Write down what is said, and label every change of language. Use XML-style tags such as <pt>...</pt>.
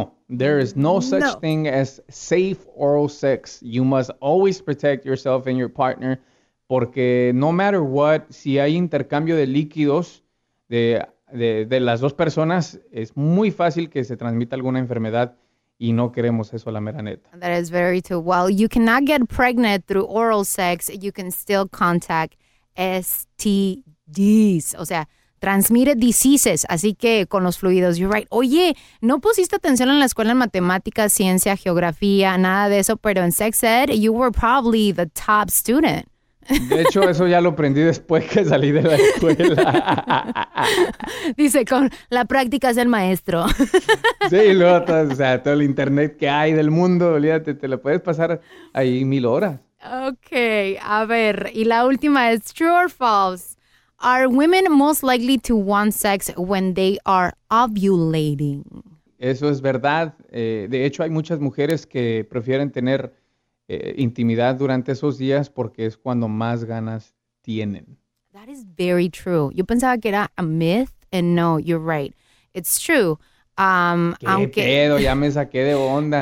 <en>There is no such thing as safe oral sex. You must always protect yourself and your partner,</en> <es>porque</es> <en>no matter what,</en> <es>si hay intercambio de líquidos, de las dos personas, es muy fácil que se transmita alguna enfermedad y no queremos eso, la mera neta.</es> <en>That is very true. While you cannot get pregnant through oral sex, you can still contact STDs.</en> <es>O sea, transmite diseases, así que con los fluidos.</es> <en>You're right.</en> <es>Oye, no pusiste atención en la escuela en matemáticas, ciencia, geografía, nada de eso, pero en sex ed,</es> <en>you were probably the top student.</en> <es>De hecho, eso ya lo aprendí después que salí de la escuela. Dice, con la práctica es el maestro. Sí, luego todo el internet que hay del mundo, olvídate, te lo puedes pasar ahí 1,000 horas.</es> <en>Ok,</en> <es>a ver, y la última es,</es> <en>true or false, are women most likely to want sex when they are ovulating?</en> <es>Eso es verdad. De hecho, hay muchas mujeres que prefieren tener intimidad durante esos días porque es cuando más ganas tienen.</es> <en>That is very true.</en> <es>Yo pensaba que era</es> <en>a myth, and no, you're right. It's true.</en> <es>¿Qué pedo? Ya me saqué de onda.</es>